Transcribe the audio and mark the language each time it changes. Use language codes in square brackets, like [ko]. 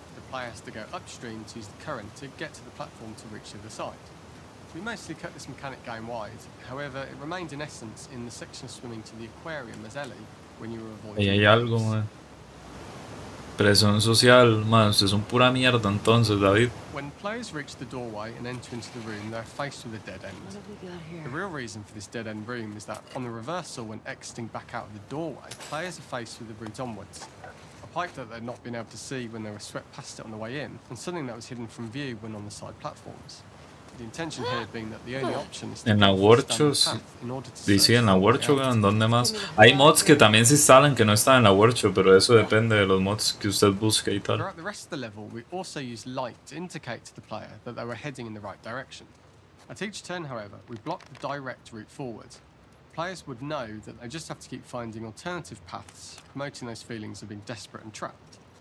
[en] Player has to go upstream to use the current to get to the platform to reach the other side. We mostly cut this mechanic game wide, however, it remained in essence in the section of swimming to the aquarium as Ellie when you were avoiding. [es] Hey, hay algo, man. Presión social, man, usted es un pura mierda entonces, David. [en] When players reach the doorway and enter into the room, they're faced with a dead end. What have we got here? The real reason for this dead end room is that on the reversal, when exiting back out of the doorway, players are faced with the route onwards. A pipe that they'd not been able to see when they were swept past it on the way in, and something that was hidden from view when on the side platforms. The intention here being that the only option is to [es] en la workshop. Dice en la workshop, ¿en dónde más? Hay mods que también se instalan que no están en la workshop, pero eso depende de los mods que usted busque y tal. [en] Throughout the rest of the level, we also use light to indicate to the player that they were heading in the right direction. At each turn, however, we block the direct route forward. Players would know that they just have to keep finding alternative paths, promoting those feelings of being desperate and trapped.